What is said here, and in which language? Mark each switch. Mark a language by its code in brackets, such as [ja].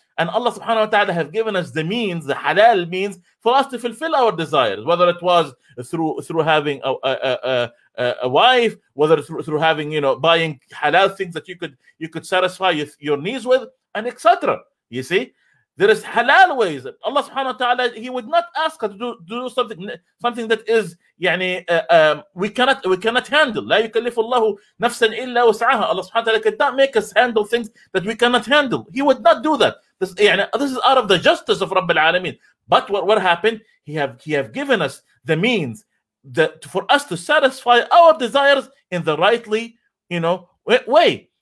[en] And Allah subhanahu wa ta'ala have given us the means, the halal means, for us to fulfill our desires, whether it was through having a wife, whether it's through having, buying halal things that you could satisfy your needs with, and etc. You see, there is halal ways. Allah subhanahu wa ta'ala, He would not ask us to do something that is, we cannot handle. [ar] لا يكلف الله نفسا إلا وسعها. [en] Allah subhanahu wa ta'ala could not make us handle things that we cannot handle. He would not do that. This is out of the justice of Rabbil Alameen. But what happened? He have given us the means that for us to satisfy our desires in the rightly, way.